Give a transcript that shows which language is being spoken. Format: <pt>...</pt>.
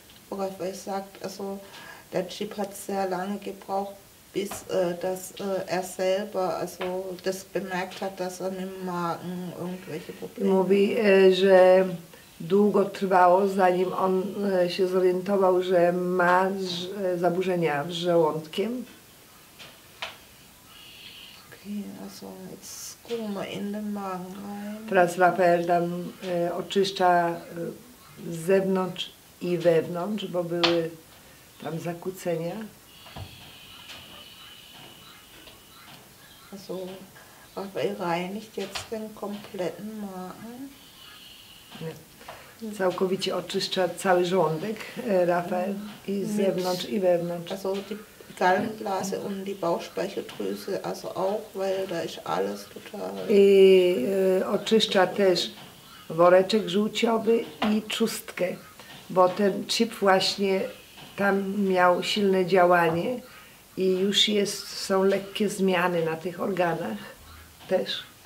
<de>Oder wie gesagt, also der Chip hat sehr lange gebraucht, bis dass er selber also das bemerkt hat, dass er im Magen irgendwelche Probleme hat.</de> <pl>Mówi, że długo trwało, zanim on się zorientował, że ma zaburzenia w żołądkiem.</pl> <de>Okay, also jetzt gucken wir in den Magen rein.</de> <pl>Teraz Rafael dann oczyszcza z zewnątrz i wewnątrz, bo były tam zakłócenia.</pl> <de>Also, Rafael reinigt jetzt den kompletten Magen.</de> <pl>Całkowicie oczyszcza cały żołądek, Rafael, i z zewnątrz, i wewnątrz.</pl> <de>Also die Gallenblase und die Bauchspeicheldrüse, also auch, weil da ist alles total...</de> <pl>I oczyszcza też woreczek żółciowy i czustkę, bo ten chip właśnie tam miał silne działanie i już jest, są lekkie zmiany na tych organach też.</pl>